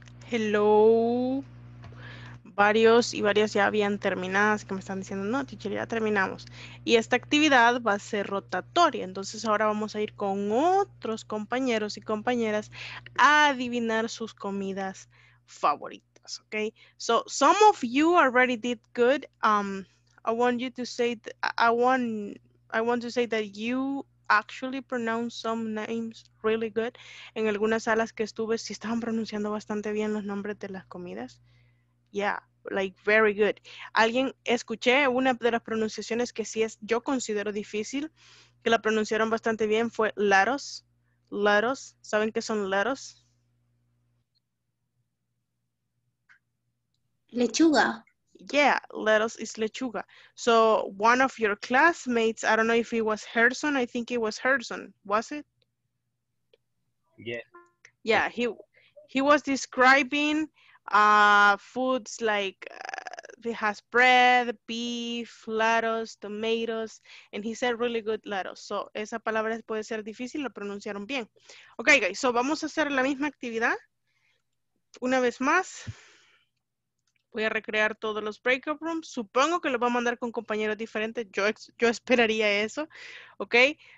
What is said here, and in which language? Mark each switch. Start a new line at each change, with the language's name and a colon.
Spanish: Hello, varios y varias ya habían terminadas que me están diciendo, no, teacher, ya terminamos. Y esta actividad va a ser rotatoria, entonces ahora vamos a ir con otros compañeros y compañeras a adivinar sus comidas favoritas, ¿ok?
English: So, some of you already did good. I want to say that you actually pronounce some names really good.
Spanish: En algunas salas que estuve, sí estaban pronunciando bastante bien los nombres de las comidas.
English: Yeah, like very good.
Spanish: Alguien, escuché una de las pronunciaciones que sí es, yo considero difícil, que la pronunciaron bastante bien, fue lettuce. Lettuce, ¿saben qué son lettuce? Lechuga.
English: Yeah, lettuce is lechuga. So one of your classmates, I don't know if it was Herson, I think it was Herson, was it? Yeah. Yeah, he was describing foods like it has bread, beef, lettuce, tomatoes, and he said really good lettuce.
Spanish: So esa palabra puede ser difícil, lo pronunciaron bien.
English: Okay, guys, so
Spanish: vamos a hacer la misma actividad. Una vez más, voy a recrear todos los breakout rooms. Supongo que los voy a mandar con compañeros diferentes. Yo esperaría eso, ¿ok?